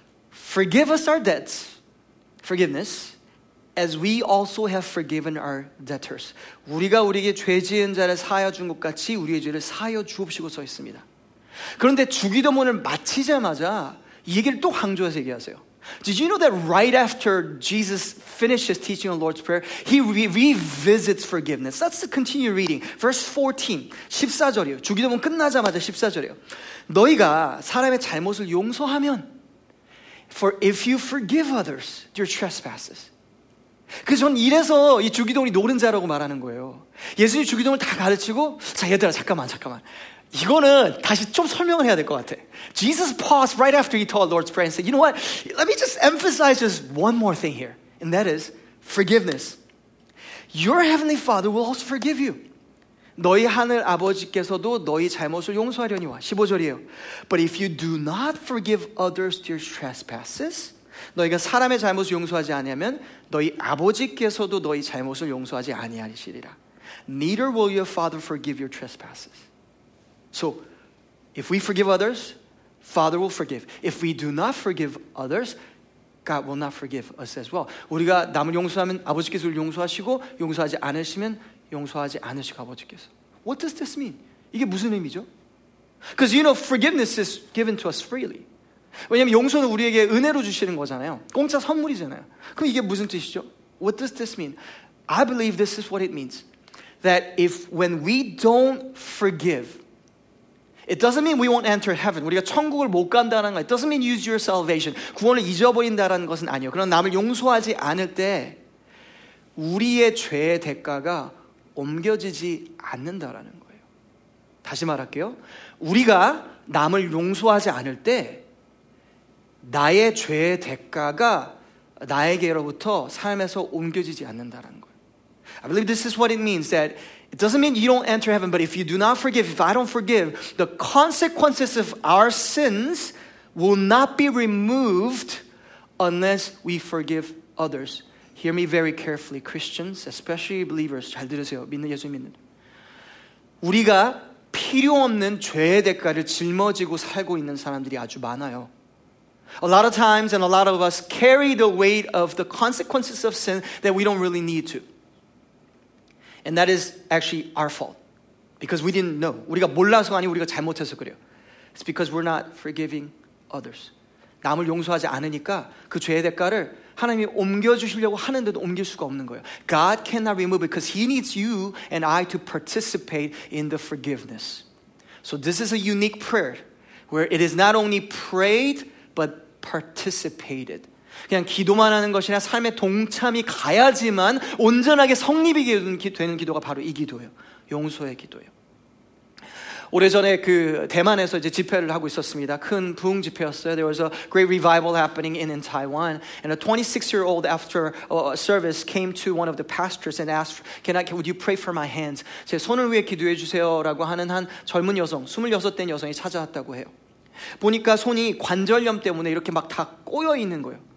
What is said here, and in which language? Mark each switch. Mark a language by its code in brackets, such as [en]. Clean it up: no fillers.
[en] Forgive us our debts. Forgiveness. As we also have forgiven our debtors. [ko] 우리가 우리에게 죄 지은 자를 사하여 준 것 같이 우리의 죄를 사하여 주옵시고 써 있습니다. 그런데 주기도문을 마치자마자 이 얘기를 또 강조해서 얘기하세요. [en] Did you know that right after Jesus finishes teaching on Lord's Prayer, he revisits forgiveness? Let's continue reading. Verse 14, [ko] 14절이요. 주기도문 끝나자마자 14절이요. 너희가 사람의 잘못을 용서하면, [en] for if you forgive others your trespasses. [ko] 그래서 전 이래서 이 주기도문이 노른자라고 말하는 거예요. 예수님 주기도문을 다 가르치고, 자 얘들아 잠깐만 잠깐만. 이거는 다시 좀 설명을 해야 될 것 같아. [en] Jesus paused right after he taught Lord's Prayer and said, you know what? Let me just emphasize just one more thing here. And that is forgiveness. Your heavenly Father will also forgive you. [ko] 너희 하늘 아버지께서도 너희 잘못을 용서하려니와. 15절이에요. [en] But if you do not forgive others their trespasses, [ko] 너희가 사람의 잘못을 용서하지 아니하면 너희 아버지께서도 너희 잘못을 용서하지 아니하시리라. [en] Neither will your Father forgive your trespasses. So, if we forgive others, Father will forgive. If we do not forgive others, God will not forgive us as well. [ko] 우리가 남을 용서하면 아버지께서 우리를 용서하시고 용서하지 않으시면 용서하지 않으시고 아버지께서. [en] What does this mean? [ko] 이게 무슨 의미죠? [en] Because you know, forgiveness is given to us freely. [ko] 왜냐하면 용서는 우리에게 은혜로 주시는 거잖아요. 공짜 선물이잖아요. 그럼 이게 무슨 뜻이죠? [en] What does this mean? I believe this is what it means. That if when we don't forgive, it doesn't mean we won't enter heaven. [ko] 우리가 천국을 못 간다는 거. [en] It doesn't mean use your salvation. [ko] 구원을 잊어버린다는 것은 아니요. 그런 남을 용서하지 않을 때 우리의 죄의 대가가 옮겨지지 않는다라는 거예요. 다시 말할게요. 우리가 남을 용서하지 않을 때 나의 죄의 대가가 나에게로부터 삶에서 옮겨지지 않는다라는 거예요. [en] I believe this is what it means that it doesn't mean you don't enter heaven, but if you do not forgive, if I don't forgive, the consequences of our sins will not be removed unless we forgive others. Hear me very carefully, Christians, especially believers. [ko] 잘 들으세요. 믿는 예수 믿는. 우리가 필요 없는 죄의 대가를 짊어지고 살고 있는 사람들이 아주 많아요. [en] A lot of times and a lot of us carry the weight of the consequences of sin that we don't really need to. And that is actually our fault. Because we didn't know. [ko] 우리가 몰라서 아니 우리가 잘못해서 그래요. [en] It's because we're not forgiving others. [ko] 남을 용서하지 않으니까 그 죄의 대가를 하나님이 옮겨주시려고 하는데도 옮길 수가 없는 거예요. [en] God cannot remove it because he needs you and I to participate in the forgiveness. So this is a unique prayer where it is not only prayed but participated. [ko] 그냥 기도만 하는 것이나 삶의 동참이 가야지만 온전하게 성립이 되는 기도가 바로 이 기도예요. 용서의 기도예요. 오래전에 그 대만에서 이제 집회를 하고 있었습니다. 큰 부흥 집회였어요. [en] There was a great revival happening in Taiwan. And a 26-year-old after a service came to one of the pastors and asked, would you pray for my hands? [ko] 제 손을 위해 기도해 주세요라고 하는 한 젊은 여성, 26된 여성이 찾아왔다고 해요. 보니까 손이 관절염 때문에 이렇게 막 다 꼬여 있는 거예요.